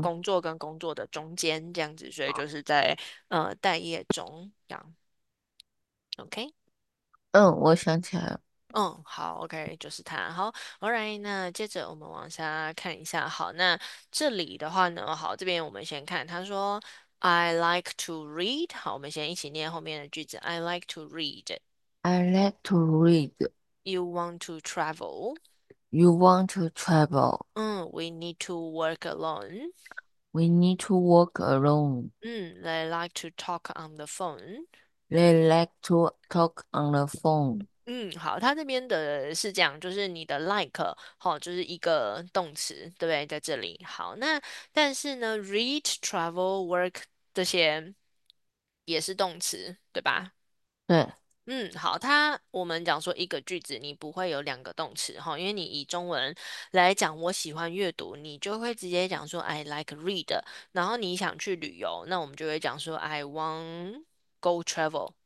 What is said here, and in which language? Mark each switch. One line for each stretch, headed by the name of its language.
Chinese: 工作跟工作的中间这样子，所以就是在待业中这样。嗯，我想起来了。就是他。好，Alright，那接着我们往下看一下。好，那这里的话呢，好，这边我们先看。他说，
English: I like to read。
Chinese: 好，我们先一起念后面的句子。
English: I like to read。 I like to read. You want to travel？ You want to travel. We need to work alone。 We need to walk alone. They like to talk on the phone。 They like to talk on the phone.
Chinese: 好，他这边的是这样，就是你的 like，就是一个动词，对不对？在这里，好，那但是呢，read、travel、work 这些也是动词，对吧？对。好，我们讲说一个句子，你不会有两个动词，因为你以中文来讲，我喜欢阅读，你就会直接讲说
English: I like read，
Chinese: 然后你想去旅游，那我们就会讲说
English: I want go travel。